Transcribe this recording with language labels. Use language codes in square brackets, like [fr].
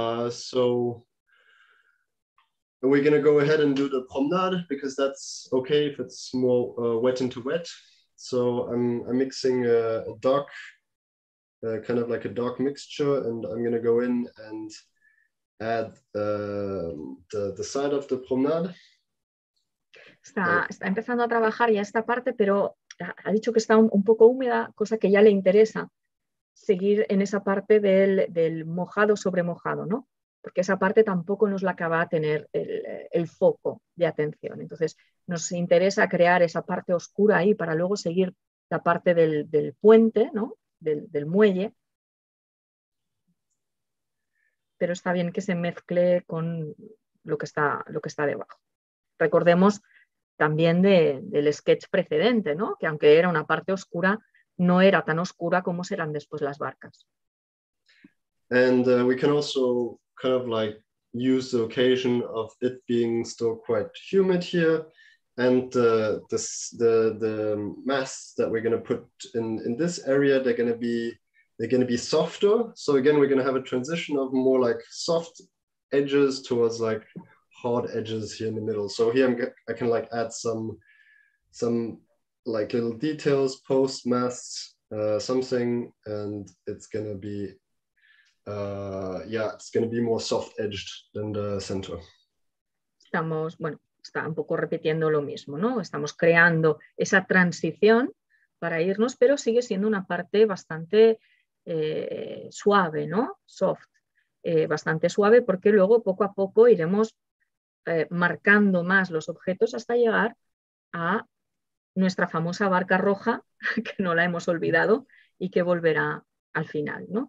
[en] So we're gonna go ahead and do the promenade because that's okay if it's more wet into wet. So I'm mixing a dark, kind of like a dark mixture, and I'm gonna go in and add the side of the promenade. [es] Está empezando a trabajar ya esta parte, pero ha dicho que está un poco húmeda, cosa que ya le interesa seguir en esa parte del mojado sobre mojado, ¿no? Porque esa parte tampoco nos la acaba de tener el foco de atención. Entonces, nos interesa crear esa parte oscura ahí para luego seguir la parte del puente, ¿no? Del muelle. Pero está bien que se mezcle con lo que está debajo. Recordemos también del sketch precedente, ¿no? Que aunque era una parte oscura, no era tan oscura como serán después las barcas. [en] And we can also kind of like use the occasion of it being still quite humid here, and the masts that we're going to put in this area, they're going to be softer. So again, we're going to have a transition of more like soft edges towards like hard edges here in the middle. So here I can like add some like little details, post masts, something, and it's gonna be it's gonna be more soft edged than the center. [es] Estamos, bueno, está un poco repitiendo lo mismo, ¿no? Estamos creando esa transición para irnos, pero sigue siendo una parte bastante suave, ¿no? Soft, bastante suave, porque luego poco a poco iremos marcando más los objetos hasta llegar a nuestra famosa barca roja, que no la hemos olvidado y que volverá al final, ¿no?